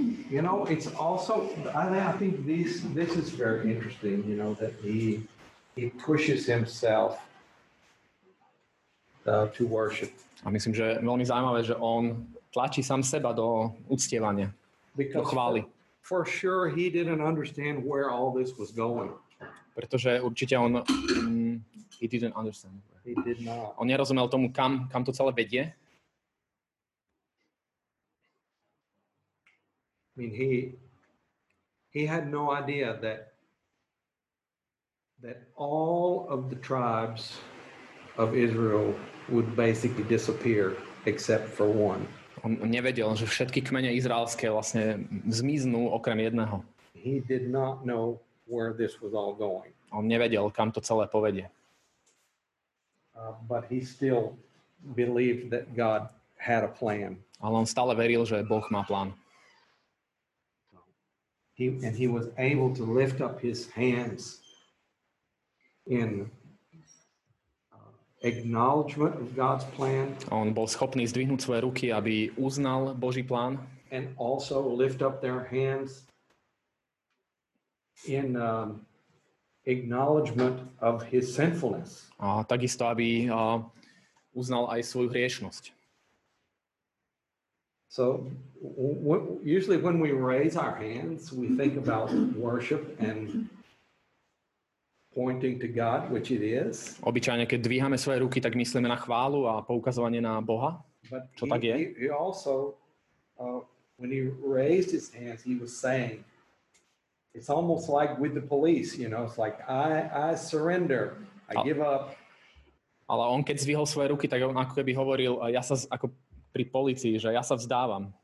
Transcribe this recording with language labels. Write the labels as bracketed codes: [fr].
[en] You know, it's also, I think this is very interesting, you know, that he pushes himself to worship. [sk] A myslím, že veľmi zaujímavé, že on tlačí sám seba do uctievania, do chvály. [en] For sure he didn't understand where all this was going. [sk] Pretože určite on, [en] he didn't understand. He did not. [sk] On nerozumel tomu, kam to celé vedie. [en] I mean, he had no idea that all of the tribes of Israel would basically disappear except for one. [sk] On nevedel, že všetky kmene izraelské vlastne zmiznú okrem jedného. [en] He did not know where this was all going. [sk] On nevedel, kam to celé povedie. [en] But he still believed that God had a plan. [sk] Ale on stále veril, že Boh má plán. [en] He was able to lift up his hands in acknowledgement of God's plan. [sk] On bol schopný zdvihnúť svoje ruky, aby uznal Boží plán. [en] And also lift up their hands in acknowledgement of his sinfulness. [sk] A takisto, aby uznal aj svoju hriešnosť. [en] So usually when we raise our hands, we think about worship and pointing to God, which it is. [sk] Obyčajne, keď dvíhame svoje ruky, tak myslíme na chválu a poukazovanie na Boha, čo tak je. [en] He also, when he raised his hands, he was saying, it's almost like with the police, you know, it's like, I surrender, I give up. [sk] Ale on, keď zvihol svoje ruky, tak on ako keby hovoril, ja sa ako pri polícii, že ja sa vzdávam.